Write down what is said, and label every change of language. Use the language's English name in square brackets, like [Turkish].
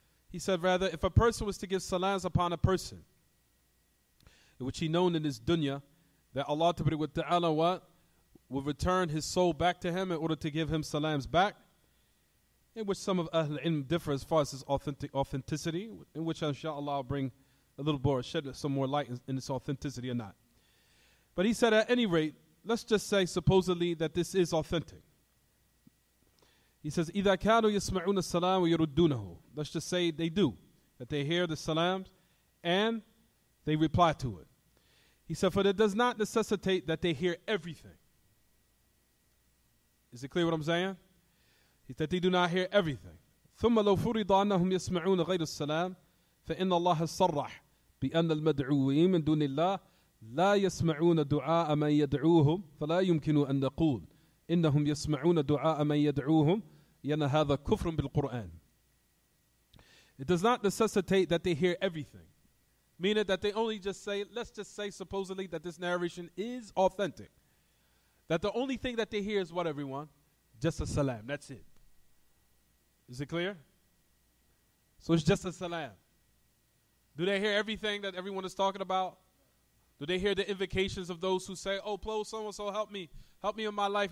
[English] He said, rather, if a person was to give salams upon a person, which he known in his dunya, that Allah tabarak wa ta'ala what, will return his soul back to him in order to give him salams back, in which some of Ahl al-Ilm differ as far as his authenticity, in which inshallah I'll bring a little more, shed some more light in its authenticity or not. But he said, at any rate, let's just say supposedly that this is authentic. He says, [Arabic] إِذَا كَانُوا يَسْمَعُونَ السَّلَامُ وَيَرُدُّونَهُ. [English] Let's just say they do, that they hear the salams and they reply to it. He said, for it does not necessitate that they hear everything. Is it clear what I'm saying? That they do not hear everything. [Arabic] ثُمَّ لَوْ فُرِضَ أَنَّهُمْ يَسْمَعُونَ غَيْرُ السَّلَامِ فَإِنَّ اللَّهَ صَرَّحْ بِأَنَّ الْمَدْعُوِينَ مِنْ دُونِ اللَّهِ لَا يَسْمَعُونَ دُعَاءَ مَنْ يَدْعُوهُمْ فَلَا يُمْكِنُ أَنْ نَقُولُ إِنَّهُمْ يَسْمَعُونَ دُعَاءَ مَنْ يَدْعُوهُمْ يَنَّ هَذَا كُفْرٌ بِالْقُرْآنِ. [English] It does not necessitate that they hear everything. Meaning that they only just say, let's just say supposedly that this narration is authentic. That the only thing that they hear is what, everyone? Just a salam. That's it. Is it clear? So it's just a salam. Do they hear everything that everyone is talking about? Do they hear the invocations of those who say, oh, please, so-and-so, help me. Help me in my life.